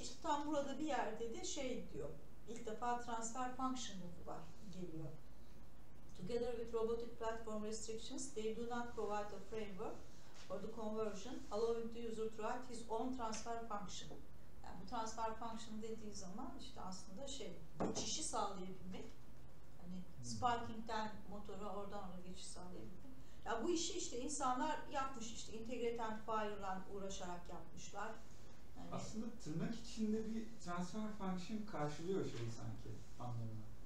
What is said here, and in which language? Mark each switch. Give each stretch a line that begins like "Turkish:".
Turkish: İşte tam burada bir yerde de şey diyor. İlk defa transfer function var geliyor.
English: Together with robotic platform restrictions, they do not provide a framework for the conversion, allowing the user to write his own transfer function.
Turkish: Yani bu transfer function dediği zaman işte aslında şey, geçişi sağlayabilmek. Hani sparking'den motora oradan oraya geçiş sağlayabilmek. Ya yani bu işi işte insanlar yapmış, işte integrated fire'la uğraşarak yapmışlar. Yani aslında tırnak içinde bir transfer function karşılıyor şeyi sanki anlamına.